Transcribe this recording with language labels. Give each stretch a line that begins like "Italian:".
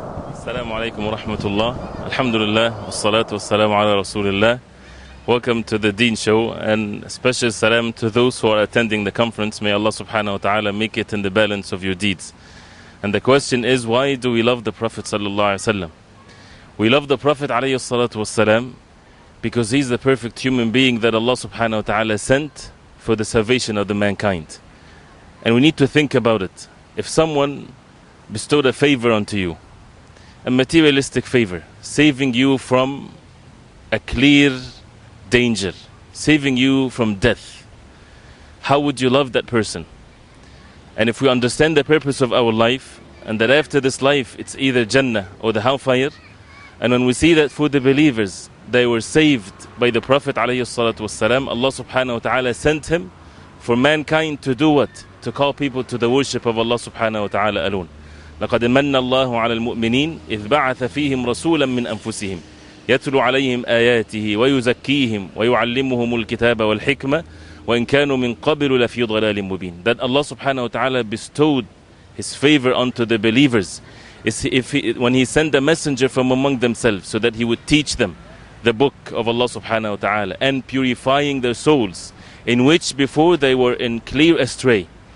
Arabic: السلام عليكم ورحمة الله. الحمد لله والصلاة والسلام على رسول الله.
English: Welcome to the Deen Show and special salam to those who are attending the conference. May Allah subhanahu wa ta'ala make it in the balance of your deeds. And the question is, why do we love the Prophet sallallahu alayhi wa sallam? We love the Prophet alayhi salatu wa salam because he's the perfect human being that Allah subhanahu wa ta'ala sent for the salvation of the mankind. And we need to think about it. If someone bestowed a favor onto you, a materialistic favor, saving you from a clear danger, saving you from death, how would you love that person? And if we understand the purpose of our life, and that after this life it's either Jannah or the Hellfire, and when we see that for the believers, they were saved by the Prophet والسلام, Allah subhanahu wa ta'ala sent him for mankind to do what? To call people to the worship of Allah subhanahu wa ta'ala alone.
Arabic: لقد من الله على المؤمنين إذ بعث فيهم رسولا من أنفسهم يتلو عليهم آياته ويزكيهم ويعلمهم الكتاب والحكمة وإن كانوا من قبل لفي ضلال مبين.
English: That Allah subhanahu wa ta'ala bestowed His favor onto the believers when He sent a messenger from among themselves so that He would teach them the book of Allah subhanahu wa ta'ala and purifying their souls, in which before they were in clear astray.